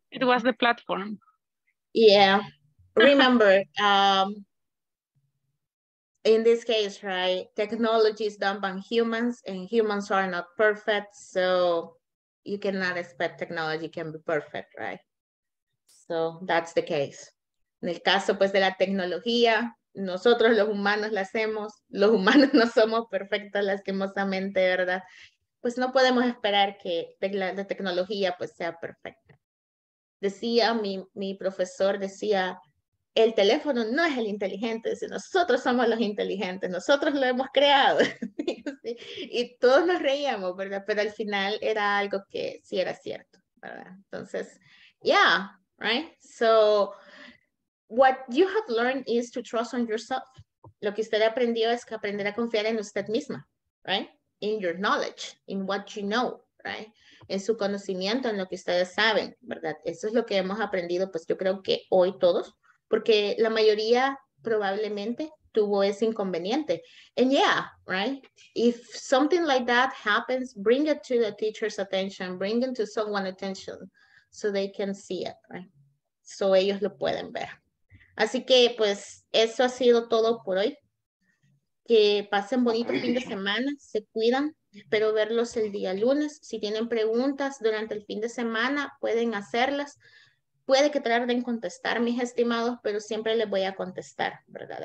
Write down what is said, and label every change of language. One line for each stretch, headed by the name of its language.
English: It was the platform. Yeah. Remember, in this case, right, technology is done by humans, and humans are not perfect, so you cannot expect technology can be perfect, right? So that's the case.
Spanish: En el caso, pues, de la tecnología, nosotros los humanos la hacemos, los humanos no somos perfectos lastimosamente, ¿verdad? Pues no podemos esperar que la tecnología pues sea perfecta. Decía mi profesor, decía, el teléfono no es el inteligente, dice, nosotros somos los inteligentes, nosotros lo hemos creado. Y todos nos reíamos, ¿verdad? Pero al final era algo que sí era cierto, ¿verdad?
English: Entonces, yeah, right? So, what you have learned is to trust on yourself.
Spanish: Lo que usted aprendió es que aprender a confiar en usted misma, right?
English: In your knowledge, in what you know, right?
Spanish: En su conocimiento, en lo que ustedes saben, ¿verdad? Eso es lo que hemos aprendido, pues yo creo que hoy todos, porque la mayoría probablemente tuvo ese inconveniente.
English: And yeah, right? If something like that happens, bring it to the teacher's attention, bring it to someone's attention so they can see it, right?
Spanish: So ellos lo pueden ver. Así que, pues, eso ha sido todo por hoy. Que pasen bonito fin de semana, se cuidan. Espero verlos el día lunes. Si tienen preguntas durante el fin de semana, pueden hacerlas. Puede que tarden contestar, mis estimados, pero siempre les voy a contestar, ¿verdad?